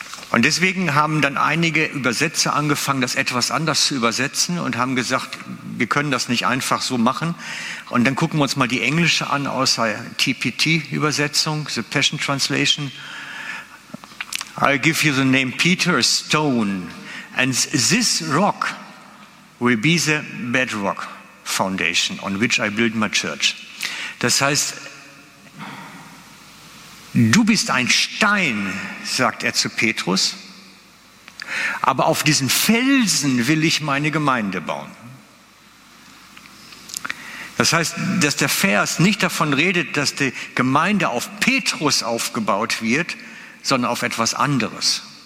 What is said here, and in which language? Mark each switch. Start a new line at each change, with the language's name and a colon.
German: Und deswegen haben dann einige Übersetzer angefangen, das etwas anders zu übersetzen und haben gesagt, wir können das nicht einfach so machen. Und dann gucken wir uns mal die englische an, außer TPT-Übersetzung, The Passion Translation.
English: I give you the name Peter, a stone, and this rock will be the bedrock foundation on which I build my church.
German: Das heißt, du bist ein Stein, sagt er zu Petrus, aber auf diesen Felsen will ich meine Gemeinde bauen. Das heißt, dass der Vers nicht davon redet, dass die Gemeinde auf Petrus aufgebaut wird, sondern auf etwas anderes.